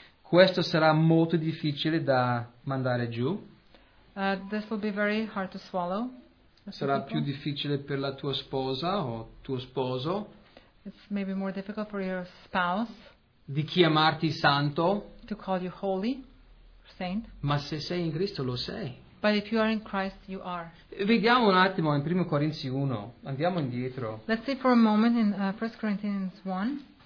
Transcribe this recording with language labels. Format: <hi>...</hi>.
<it>Questo sarà molto difficile da mandare giù.</it> <en>This will be very hard to swallow.</en> <it>Sarà più difficile per la tua sposa o tuo sposo.</it> <en>It's maybe more difficult for your spouse.</en> <it>Di chiamarti santo.</it> <en>To call you holy, saint.</en> <it>Ma se sei in Cristo lo sei.</it> <en>But if you are in Christ, you are.</en> <it>Vediamo un attimo in 1 Corinzi 1. Andiamo indietro.</it> <en>Let's see for a moment in 1 Corinthians 1.</en>